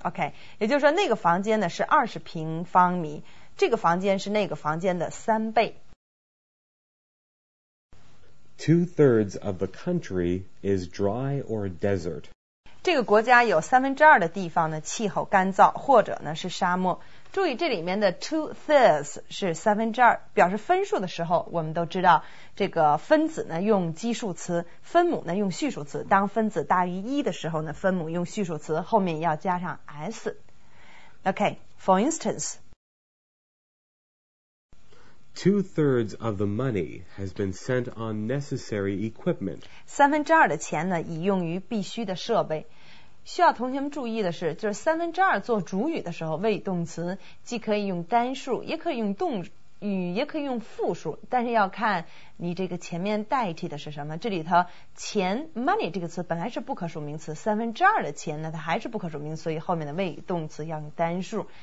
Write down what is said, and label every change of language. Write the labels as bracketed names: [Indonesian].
[Chinese] Okay, 也就是说那个房间呢是20平方米，这个房间是那个房间的三倍。 [English] Two-thirds of the country is dry or desert. [Chinese] 这个国家有三分之二的地方呢气候干燥或者呢是沙漠。注意这里面的 2/3 是三分之二，表示分数的时候我们都知道这个分子呢用基数词，分母呢用序数词，当分子大于一的时候呢分母用序数词，后面要加上 s。 [English] OK, for instance, 2/3 of the money has been spent on necessary equipment. [Chinese] 三分之二的钱呢已用于必须的设备。需要同学们注意的是，就是三分之二做主语的时候，谓语动词既可以用单数，也可以用动语，也可以用复数，但是要看你这个前面代替的是什么。这里头钱 money 这个词本来是不可数名词，三分之二的钱呢它还是不可数名词，所以后面的谓语动词要用单数。